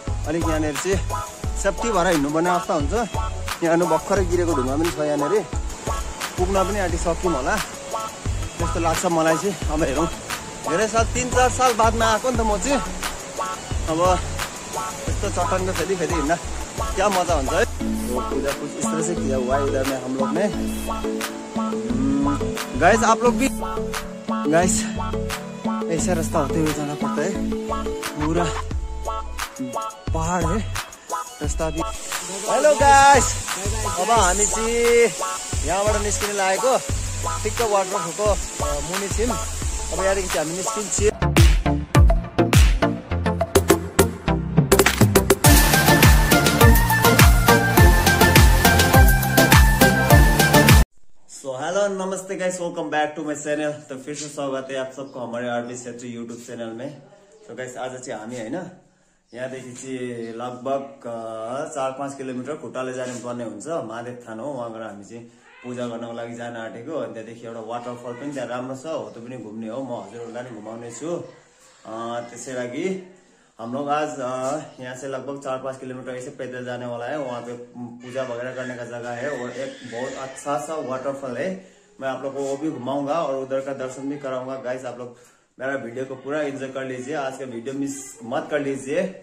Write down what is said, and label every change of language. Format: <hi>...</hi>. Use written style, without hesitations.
<ne>अलिक यहाँनिर चाहिँ सेफ्टी भएर हिँड्नुपर्ने अवस्था हुन्छ, यहाँनिर भर्खरै गिरेको ढुङ्गा पनि छ, यहाँनिर पुग्न पनि आँटिसक्यौँ होला जस्तो लाग्छ मलाई चाहिँ। अब हेरौँ, धेरै साल 3-4 साल बादमा आएको नि त म चाहिँ, अब यस्तो चट्टानको फेरि फेरि हिँड्दा क्या मजा हुन्छ है।</ne> <hi>पूजा कुछ इस तरह से किया हुआ है इधर में हम लोग ने। गाइस आप लोग भी, गाइस ऐसा रास्ता होते हुए जाना पड़ता है, पूरा पहाड़ है रास्ता भी।</hi> <ne>हेलो गाइस, अब हामी चाहिँ यहाँबाट निस्किन लागेको ठिक्क वाटरफलको मुनि छौँ, अब यहाँदेखि चाहिँ हामी निस्किन्छौँ।</ne> <en>नमस्ते guys, welcome back to my channel.</en> <hi>तो फिर से स्वागत है आप सबको हमारे आरबी छेत्री यूट्यूब चैनल में।</hi> <ne>तो गाइस आज चाहिँ हामी हैन यहाँ देखि लगभग 4-5 किलोमीटर खुट्टाले जाने पर्ने हुन्छ, महादेव थान हो, वहाँबाट हामी चाहिँ पूजा गर्नको लागि जान आँटेको। अनि त्यहाँदेखि एउटा वाटरफल पनि त्यहाँ राम्रो छ, हो त्यो पनि घुम्ने हो, म हजुरहरूलाई पनि घुमाउने छु। त्यसै लागि हाम्रो आज यहाँ चाहिँ लगभग 4-5 किलोमिटर यसै पैदल</ne> <hi>जानेवाला है, वहाँ पे पूजा वगैरह गर्ने का जग्गा है, और एक बहुत अच्छा सा वाटरफल है, मैं आप लोग को वो भी घुमाऊंगा और उधर का दर्शन भी कराऊंगा। गाइस आप लोग मेरा वीडियो को पूरा एंजॉय कर लीजिए, आज का वीडियो मिस मत कर लीजिए।</hi>